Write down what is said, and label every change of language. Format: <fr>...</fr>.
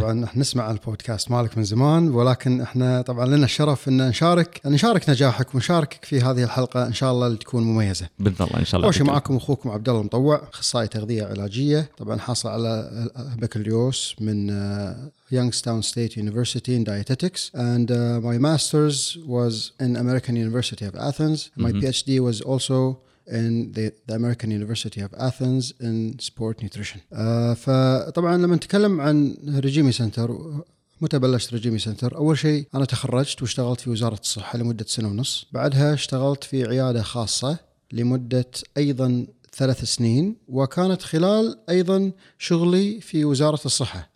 <ar>طبعا احنا نسمع البودكاست مالك من زمان، ولكن احنا طبعا لنا الشرف ان نشارك نجاحك ونشاركك في هذه الحلقه ان شاء الله لتكون مميزه باذن الله. ان شاء الله. اول شيء معكم اخوكم عبد الله المطوع، اخصائي تغذيه علاجيه، طبعا حاصل على بكالوريوس من</ar> <en>Youngstown State University in Dietetics, and my master's was in American University of Athens. My PhD was also in the American University of Athens in sport nutrition.</en> <ar>فطبعا لما نتكلم عن ريجيمي سنتر، متى بلشت ريجيمي سنتر؟ اول شيء انا تخرجت واشتغلت في وزارة الصحة لمدة سنة ونص، بعدها اشتغلت في عيادة خاصة لمدة ايضا 3 سنين، وكانت خلال ايضا شغلي في وزارة الصحة.</ar>